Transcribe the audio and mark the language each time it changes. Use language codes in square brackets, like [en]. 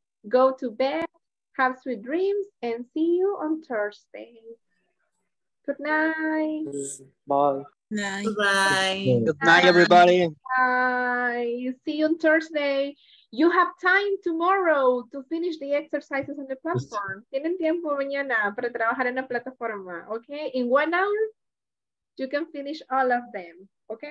[en] Go to bed, have sweet dreams, and see you on Thursday. Good night. Bye. Good night, everybody. Bye. See you on Thursday. You have time tomorrow to finish the exercises on the platform. [es] Tienen tiempo mañana para trabajar en la plataforma, okay? [en] In 1 hour, you can finish all of them, okay?